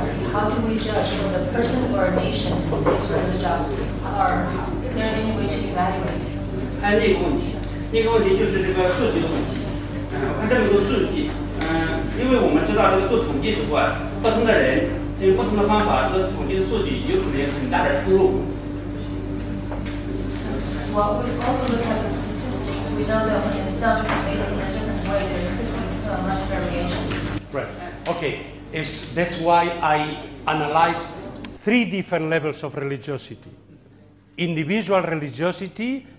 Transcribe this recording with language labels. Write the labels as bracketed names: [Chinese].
[English] How do we judge whether a person or a nation is religious, or is there any way to evaluate? [Chinese] 还有另一个问题，就是这个数据的问题。我看这么多数据，因为我们知道这个做统计是不同的人，所以不同的方法，这个统计的数据有可能有很大的出入。 [English] Well, we also look at the statistics. We know that when it's done completely in a different way, there could be much variation. Right. Okay. That's why I analyze three different levels of religiosity. Individual religiosity,